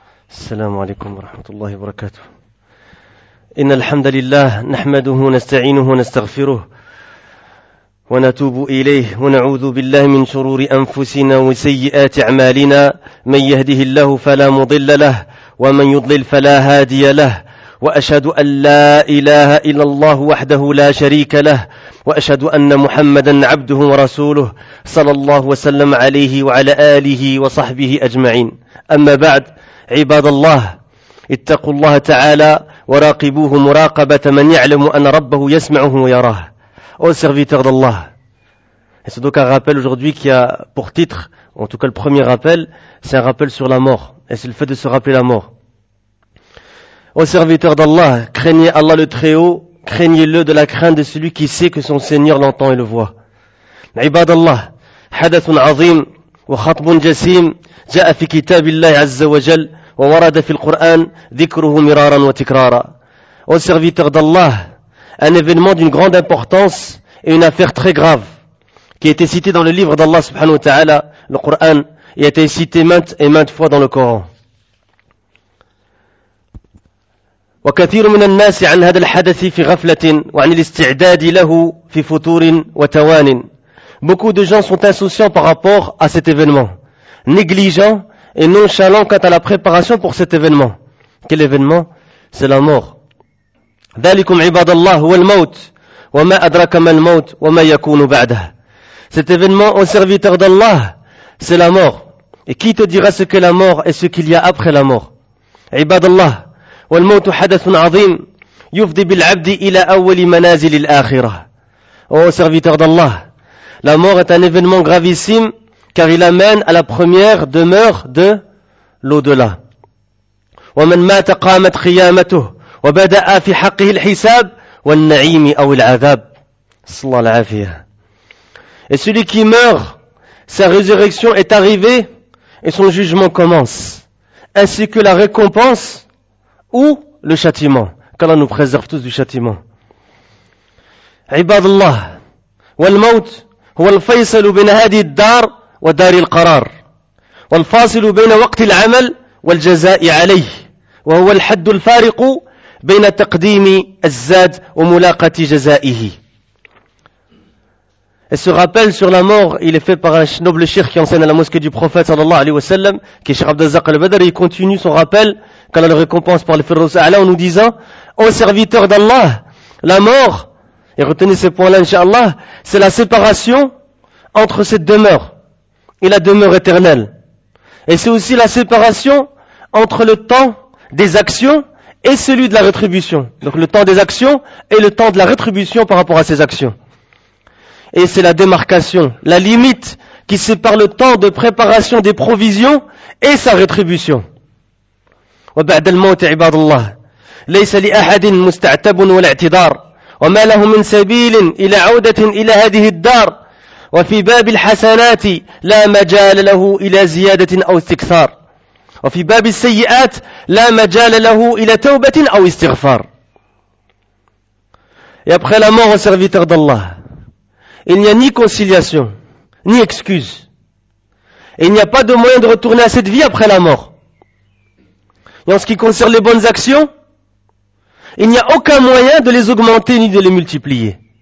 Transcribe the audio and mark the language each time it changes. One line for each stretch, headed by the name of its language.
Arabic: السلام عليكم ورحمة الله وبركاته. إن الحمد لله نحمده ونستعينه ونستغفره ونتوب إليه ونعوذ بالله من شرور أنفسنا وسيئات أعمالنا، من يهده الله فلا مضل له ومن يضلل فلا هادي له، وأشهد أن لا إله إلا الله وحده لا شريك له، وأشهد أن محمدا عبده ورسوله صلى الله وسلم عليه وعلى آله وصحبه أجمعين. أما بعد، عباد الله، اتقوا الله تعالى وراقبوه مراقبة من يعلم أن ربه يسمعه ويراه.
French: Ô serviteur d'Allah. Et c'est donc un rappel aujourd'hui qui a pour titre, en tout cas le premier rappel, c'est un rappel sur la mort. Et c'est le fait de se rappeler la mort. Ô serviteur d'Allah, craignez Allah le Très-Haut, craignez-le de la crainte de celui qui sait que son Seigneur l'entend et le voit.
Arabic: عباد الله, hadathun azim, wa khatbun jasim, جاء في كتاب الله عز وجل وورد في القرآن ذكره مرارا وتكرارا.
French: Ô serviteur d'Allah, un événement d'une grande importance et une affaire très grave qui a été cité dans le livre d'Allah subhanahu wa ta'ala, le Coran, et a été cité maintes et maintes fois dans le Coran.
Arabic: وكثير من الناس عن هذا الحدث في غفلة وعن الاستعداد له في فتور وتوان.
French: Beaucoup de gens sont insouciants par rapport à cet événement, négligents et nonchalants quant à la préparation pour cet événement. Quel événement? C'est la mort.
Arabic: ذلكم عباد الله هو الموت وما أدرك ما الموت وما يكون بعده.
French: Cet événement, ô serviteur d'Allah, c'est la mort. Et qui te dira ce que la mort et ce qu'il y a après la mort?
Arabic: عباد الله والموت حدث عظيم يفضي بالعبد إلى أول منازل الآخرة.
French: Ô serviteur d'Allah, la mort est un événement gravissime car il amène à la première demeure de l'au-delà.
Arabic: ومن مات قامت قيامته وبدأ في حقه الحساب والنعيم أو العذاب. صلى الله عليه.
French: Et celui qui meurt, sa résurrection est arrivée et son jugement commence, ainsi que la récompense ou le châtiment. Qu'Allah nous préserve tous du châtiment.
Arabic: عباد الله والموت هو الفيصل بين هذه الدار ودار القرار والفاصل بين وقت العمل والجزاء عليه وهو الحد الفارق بين تقديم الزاد وملاقاة جزائه.
French: Et ce rappel sur la mort, il est fait par un noble cheikh qui enseigne à la mosquée du prophète sallallahu alayhi wa sallam, qui est Cheikh Abdelzak al-Badr. Il continue son rappel qu'Allah le récompense par le Firdaus A'la en nous disant: ô serviteur d'Allah, la mort, et retenez ce point-là inshallah, c'est la séparation entre cette demeure et la demeure éternelle. Et c'est aussi la séparation entre le temps des actions et celui de la rétribution. Donc le temps des actions et le temps de la rétribution par rapport à ces actions. Et c'est la démarcation, la limite qui sépare le temps de préparation des provisions et sa rétribution.
Arabic: وبعد الموت عباد الله ليس لأحد مستعتب والاعتذار وما له من سبيل إلى عودة إلى هذه الدار وفي باب الحسنات لا مجال له إلى زيادة أو استكثار وفي باب السيئات لا مجال له إلى توبة أو استغفار.
French: يبقى la mort au serviteur d'Allah. Il n'y a ni conciliation, ni excuse. Et il n'y a pas de moyen de retourner à cette vie après la mort. Et en ce qui concerne les bonnes actions, il n'y a aucun moyen de les augmenter ni de les multiplier.